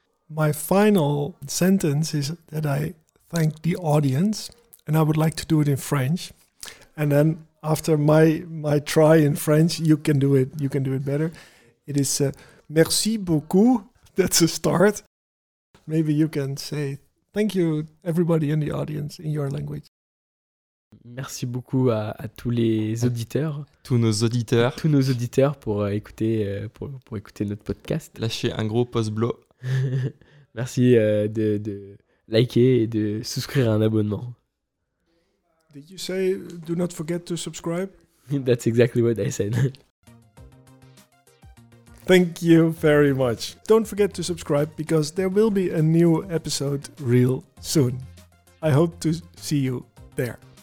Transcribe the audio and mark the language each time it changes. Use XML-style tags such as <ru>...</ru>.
<en>my final sentence is that I thank the audience, and I would like to do it in French. And then after my try in French, you can do it. You can do it better. It is</en> <fr>merci beaucoup.</fr> <en>That's a start. Maybe you can say thank you, everybody in the audience, in your language.</en> <fr>Merci beaucoup à tous les auditeurs. Tous nos auditeurs. Tous nos auditeurs pour écouter écouter notre podcast. Lâchez un gros pouce bleu. Merci de liker et de souscrire à un abonnement.</fr> <en>Did you say do not forget to subscribe? That's exactly what I said. Thank you very much. Don't forget to subscribe because there will be a new episode real soon. I hope to see you there.</en>